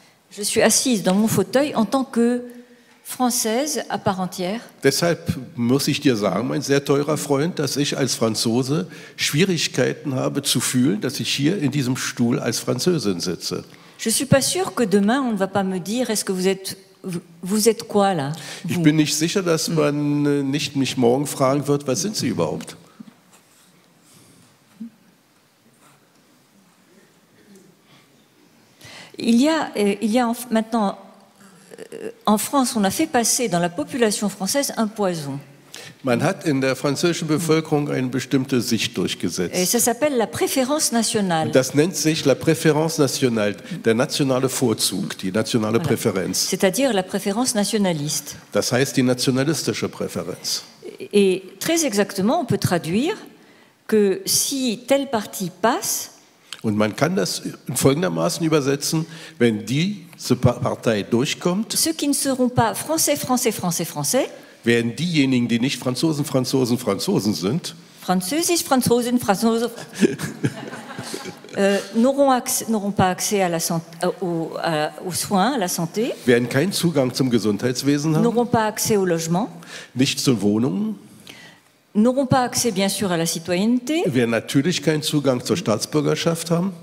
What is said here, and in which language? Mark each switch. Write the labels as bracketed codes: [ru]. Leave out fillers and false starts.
[fr] Je suis assise dans mon fauteuil en tant que Française à part entière. [de] Deshalb muss ich dir sagen, mein sehr teurer Freund, dass ich als Franzose Schwierigkeiten habe zu fühlen, dass ich hier in diesem Stuhl als Französin sitze. [fr] Je suis pas sûre que demain on ne va pas me dire est-ce que vous êtes quoi là? [de] Ich bin nicht sicher, dass man nicht mich morgen fragen wird, was sind Sie überhaupt? [fr] Il y a maintenant en France, on a fait passer dans la population française un poison. [de] Man hat in der französischen Bevölkerung eine bestimmte Sicht durchgesetzt. [fr] Et ça s'appelle la préférence nationale. [de] Das nennt sich [fr] la préférence nationale, [de] der nationale Vorzug, die nationale voilà. Präferenz. [fr] C'est-à-dire la préférence nationaliste. [de] Das heißt die nationalistische Präferenz. [fr] Et très exactement, on peut traduire que si tel parti passe. [de] Und man kann das folgendermaßen übersetzen, wenn diese Partei durchkommt. [fr] Ceux qui ne seront pas français, français, français, français. [de] Werden diejenigen, die nicht Franzosen, Franzosen, Franzosen sind, Französisch, Franzosen, Franzosen, [fr] n'auront pas accès à la santé, aux soins, à la santé, [de] werden keinen Zugang zum Gesundheitswesen haben, [fr] n'auront pas accès au logement, [de] nicht zu Wohnungen, [fr] n'auront pas accès, bien sûr, à la citoyenneté, [de] werden natürlich keinen Zugang zur Staatsbürgerschaft haben.